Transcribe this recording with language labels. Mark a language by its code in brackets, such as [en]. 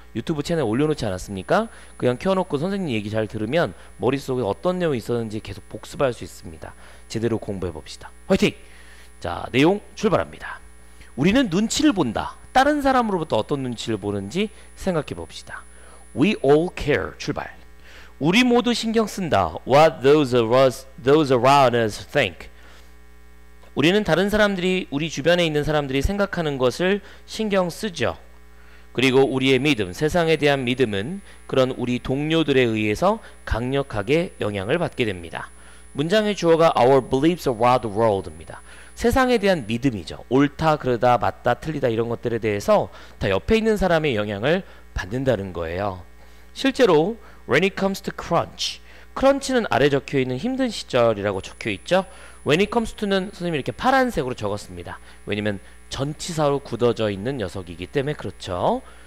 [ko] 유튜브 채널에 올려놓지 않았습니까? 그냥 켜놓고 선생님 얘기 잘 들으면 머릿속에 어떤 내용이 있었는지 계속 복습할 수 있습니다. 제대로 공부해봅시다. 화이팅! 자, 내용 출발합니다. 우리는 눈치를 본다. 다른 사람으로부터 어떤 눈치를 보는지 생각해봅시다. [en] We all care. [ko] 출발. 우리 모두 신경 쓴다. [en] What those around us think. [ko] 우리는 다른 사람들이, 우리 주변에 있는 사람들이 생각하는 것을 신경 쓰죠. 그리고 우리의 믿음, 세상에 대한 믿음은 그런 우리 동료들에 의해서 강력하게 영향을 받게 됩니다. 문장의 주어가 [en] our beliefs about the world [ko] 입니다. 세상에 대한 믿음이죠. 옳다, 그러다, 맞다, 틀리다 이런 것들에 대해서 다 옆에 있는 사람의 영향을 받는다는 거예요. 실제로 [en] when it comes to crunch, [ko] crunch는 아래 적혀 있는 힘든 시절이라고 적혀 있죠. [en] When it comes to [ko] 는 선생님이 이렇게 파란색으로 적었습니다. 왜냐면 전치사로 굳어져 있는 녀석이기 때문에 그렇죠.